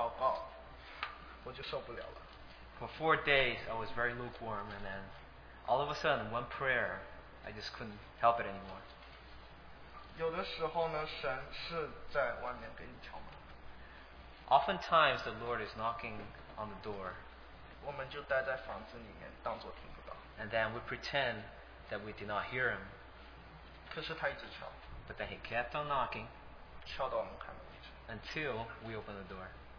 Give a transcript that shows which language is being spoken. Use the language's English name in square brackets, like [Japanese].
[Chinese] 四天的时间没办法感动我,一个祷告,我就受不了了. [English] For 4 days, I was very lukewarm, and then all of a sudden, one prayer, I just couldn't help it anymore. [Chinese] 有的时候呢,神是在外面给你敲门。 [English] Oftentimes, the Lord is knocking on the door. And then we pretend that we did not hear Him. But then He kept on knocking until we opened the door.